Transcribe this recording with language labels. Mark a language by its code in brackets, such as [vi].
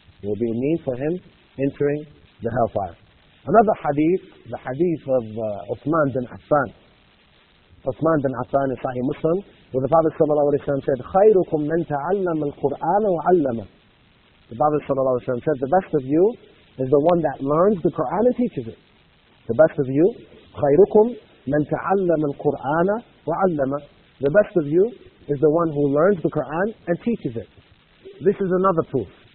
[en] It will be a means for him entering the hellfire. Another hadith, the hadith of Uthman bin Affan. Uthman bin Affan is Sahih Muslim, where the Prophet sallallahu alayhi wa sallam said, [ar] خَيْرُكُمْ مَنْ تَعَلَّمَ الْقُرْآنَ وَعَلَّمَ. [en] The Prophet sallallahu alayhi wa sallam said, the best of you is the one that learns the Quran and teaches it. The best of you, [ar] خَيْرُكُمْ مَنْ تَعَلَّمَ الْقُرْآنَ وَعَلَّمَ. [en] The best of you is the one who learns the Quran and teaches it. This is another proof.